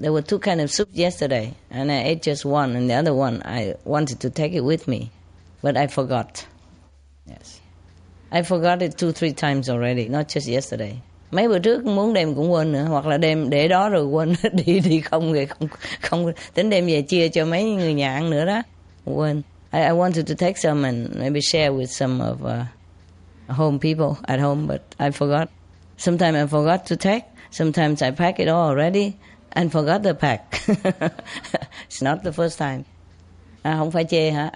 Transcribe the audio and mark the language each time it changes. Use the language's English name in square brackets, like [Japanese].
[English] There were two kinds of soup yesterday, and I ate just one, and the other one I wanted to take it with me, but I forgot. Yes. I forgot it 2-3 times already, not just yesterday. [Vietnamese] Mấy bữa trước muốn đem cũng quên nữa, hoặc là đem để đó rồi quên đi không về không tính đem về chia cho mấy người nhà ăn nữa đó. Quên. [English] I wanted to take some and maybe share with some of home people at home, but I forgot. Sometimes I forgot to take. Sometimes I pack it all already and forgot the pack. It's not the first time. [Vietnamese] Không phải chê hả?